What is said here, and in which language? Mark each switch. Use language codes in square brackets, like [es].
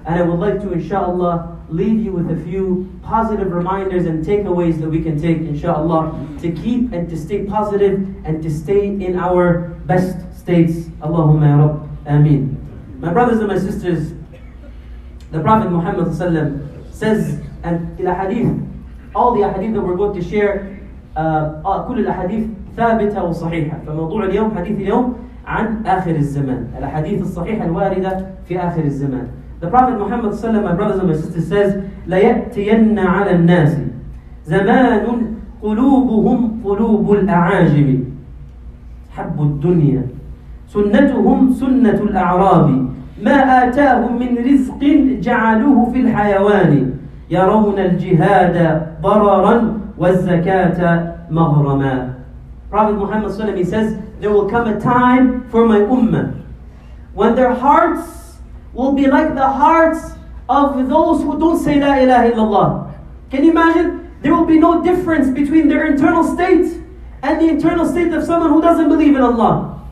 [en] And I would like to, inshallah, leave you with a few positive reminders and takeaways that we can take, inshallah, to keep and to stay positive and to stay in our best states. Allahumma ya Rabb, Ameen. My brothers and my sisters, the Prophet Muhammad says, and in a hadith, all the hadith that we're going to share, [ar] كل الأحاديث ثابتة وصحيحة. فموضوع اليوم حديث اليوم عن آخر الزمان. الأحاديث الصحيحة الواردة في آخر الزمان. [en] The Prophet Muhammad ﷺ, my brothers and my sisters, says, [ar] لَيَأْتِيَنَّ عَلَى النَّاسِ زَمَانٌ قُلُوبُهُمْ قُلُوبُ الْأَعَاجِمِ حَبُّ الدُّنْيَا سُنَّتُهُمْ سُنَّةُ الْأَعْرَابِ مَا آتَاهُمْ مِنْ رِزْقٍ جَعَلُوهُ فِي الْحَيَوَانِ يَرَوْنَ الْجِهَادَ ضَرَرًا وَالزَّكَاةَ مَغْرَمًا. [en] Prophet Muhammad ﷺ, he says, there will come a time for my ummah when their hearts will be like the hearts of those who don't say La ilaha illallah. Can you imagine? There will be no difference between their internal state and the internal state of someone who doesn't believe in Allah.